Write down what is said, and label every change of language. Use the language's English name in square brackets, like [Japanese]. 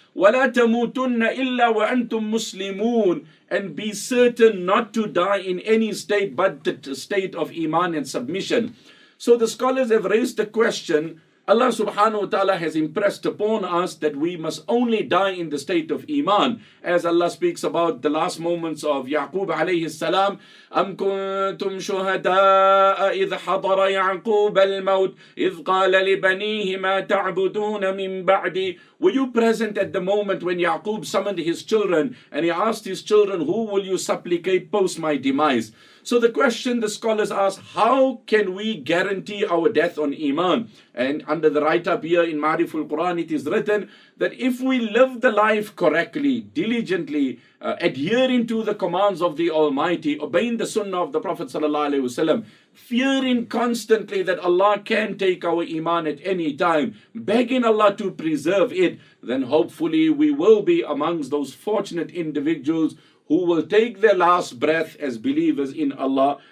[Arabic] وَلَا تَمُوتُنَّ إِلَّا وَأَنْتُمْ مُسْلِمُونَ. [English] And be certain not to die in any state but the state of iman and submission. So the scholars have raised the question, Allah subhanahu wa ta'ala has impressed upon us that we must only die in the state of iman. As Allah speaks about the last moments of Ya'qub alayhi salam, [Arabic] أَمْ كُنْتُمْ شُهَدَاءَ إِذْ حَضَرَ يَعْقُوبَ الْمَوْتِ إِذْ قَالَ لِبَنِيهِ مَا تَعْبُدُونَ مِنْ بَعْدِي. [English] Were you present at the moment when Ya'qub summoned his children and he asked his children, who will you supplicate post my demise? So the question the scholars ask, how can we guarantee our death on iman? And under the write-up here in Ma'riful Quran, it is written that if we live the life correctly, diligently, adhering to the commands of the Almighty, obeying the sunnah of the Prophet ﷺ, fearing constantly that Allah can take our iman at any time, begging Allah to preserve it, then hopefully we will be amongst those fortunate individuals who will take their last breath as believers in Allah.